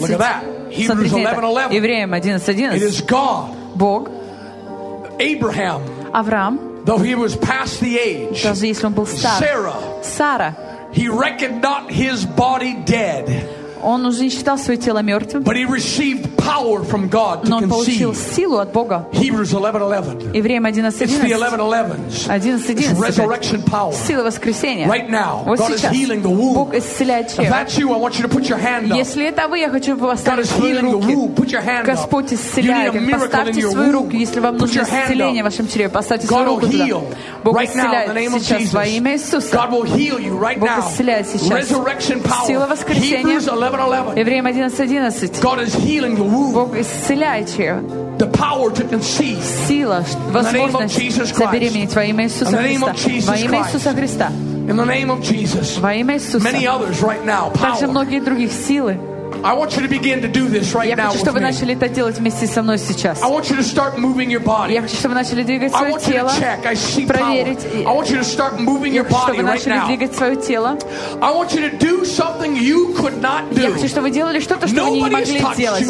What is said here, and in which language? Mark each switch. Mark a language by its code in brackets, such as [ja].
[en] Look at that. Hebrews 11:11. [ru] Евреям 11:11. [en] It is God. [ru] Бог. [en] Abraham. [ru] Авраам. [en] Though he was past the age, [ru] даже если он был стар, [en] Sarah, [ru] Сара, [en] he reckoned not his body dead, [ru] он уже не считал свое тело мертвым, [en] but he received power from God to conceive. [ru] Но он получил силу от Бога. [en] Hebrews 11:11. [ru] Евреям [en] 11:11. It's resurrection power. [ru] Сила воскресения. [en] Right now, [ru] вот [en] God [ru] сейчас. [en] Is healing the womb. [ru] Бог исцеляет чрево. [en] If that's you, I want you to put your hand up. [ru] Если это вы, я хочу поставить свои руки. [en] God is healing the womb. Put your hand up. [ru] Господь исцеляет. Поставьте свою руку, если вам нужно исцеление в вашем чреве. Поставьте свою руку. [en] God will heal. [ru] Бог исцеляет сейчас во имя Иисуса. [en] God will heal you right now. [ru] Бог исцеляет сейчас. [en] Resurrection power. [ru] Сила воскресения. Евреям 11:11. [en] God is healing the womb. [ru] Бог исцеляет чрево. [en] The power to conceive. [ru] Сила, возможность забеременеть во имя Иисуса Христа. Во имя Иисуса Христа. [en] In the name of Jesus. [ru] Во имя Иисуса. [en] Many others right now. [ru] Также многие других силы. [en] I want you to begin to do this right now. [ru] Я хочу, чтобы вы начали это делать вместе со мной сейчас. [en] I want you to start moving your body. [ru] Я хочу, чтобы вы начали двигать свое тело. [en] I want you to check. I see power. I want you to start moving your body right now. [ru] Я хочу, чтобы вы начали двигать свое тело. [en] I want you to do something you could not do. [ru] Я хочу, чтобы вы делали что-то, что вы не могли сделать.